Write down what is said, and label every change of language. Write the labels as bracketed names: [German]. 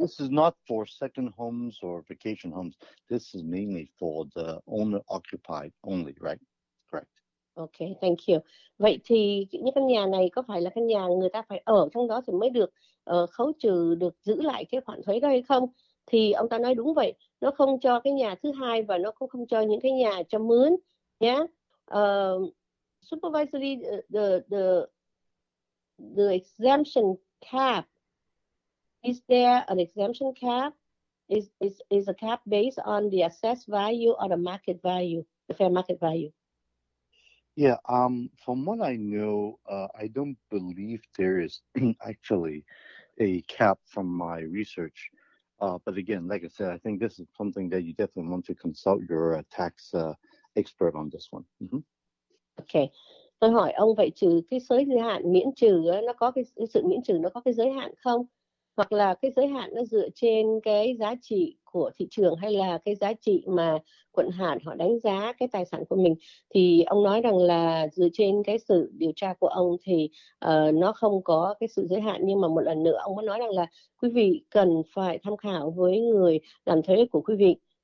[English] This is not for second homes or vacation homes. This is mainly for the owner occupied only, right? Correct. Ok, thank you. [Vietnamese] Vậy thì những căn nhà này có phải là căn nhà người ta phải ở trong đó thì mới được khấu trừ, được giữ lại cái khoản thuế đó hay không? Thì ông ta nói đúng vậy, nó không cho cái nhà thứ hai và nó cũng không cho những cái nhà cho mướn nhé. [English] Supervisory, the exemption cap. Is there an exemption cap? Is a cap based on the assessed value or the market value, the fair market value? Yeah, from what I know, I don't believe there is actually a cap from my research. But again, like I said, I think this is something that you definitely want to consult your tax expert on this one. Okay. [Vietnamese] Tôi hỏi ông vậy trừ cái giới hạn miễn trừ nó có cái sự miễn trừ nó có cái giới hạn không? Hoặc là cái giới hạn nó dựa trên cái giá trị của thị trường hay là cái giá trị mà quận hạn họ đánh giá cái tài sản của mình? Thì ông nói rằng là dựa trên cái sự điều tra của ông thì nó không có cái sự giới hạn, nhưng mà một lần nữa ông có nói rằng là quý vị cần phải tham khảo với người làm thuế của quý vị.